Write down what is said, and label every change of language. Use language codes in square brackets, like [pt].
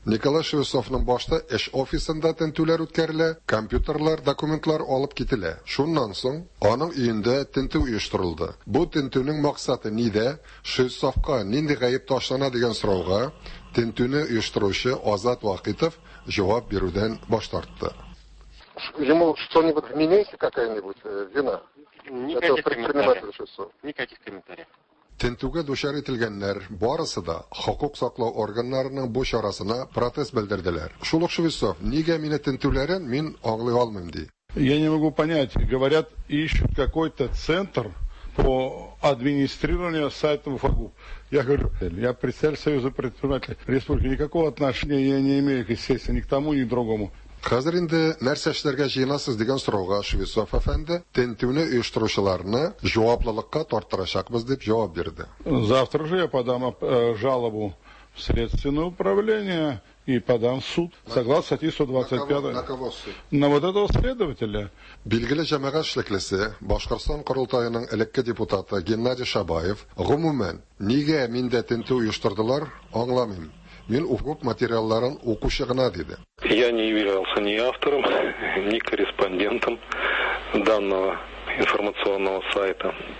[tt] Николай Шевцовның башта эш офисында тентүләр үткәрелә, компьютерлар, документлар алып китәлә. Шуннан соң аның өендә тенту оештырылды. Бу тентуның максаты нидә? Шевцовка нинди гаеп ташлана дигән сорауга тентуны оештыручы Азат Вахитов җавап бирүдән баш тартты. [ru] Ему что-нибудь вменяется, какая-нибудь вина? Никаких комментариев. Никаких комментариев. [tt] Тентуга душар ителгәннәр барысы да хокук саклау органнарының бу чарасына протест белдерделәр. Шулык Шевцов, нигә мине тентуларын мин аңлый алмыйм ди. [ru] Я не могу понять. Говорят, ищут какой-то центр по администрированию сайта УФАГУ. Я говорю, я представитель Союза предпринимателей республики. Никакого отношения я не имею, естественно, ни к тому, ни к другому. [tt] Хәзер инде нәрсә эшләргә җыенасыз дигән сорауга Шевцов әфәнде тентүне оештыручыларны җаваплылыкка тартырачакбыз дип җавап бирде. [ru] Завтра же я подам жалобу в следственное управление и подам суд. Согласно статье 125. На кого суд? На вот этого следователя. [tt] Билгеле җәмәгать эшлеклесе, Башкортстан корылтаеның элекке депутаты Геннадий Шабаев, гомумән, нигә миндә тентү оештырдылар, аңламыйм. Мин УФГУП материалларын укучы гына диде. [ru] Я не являлся ни автором, ни корреспондентом данного информационного сайта.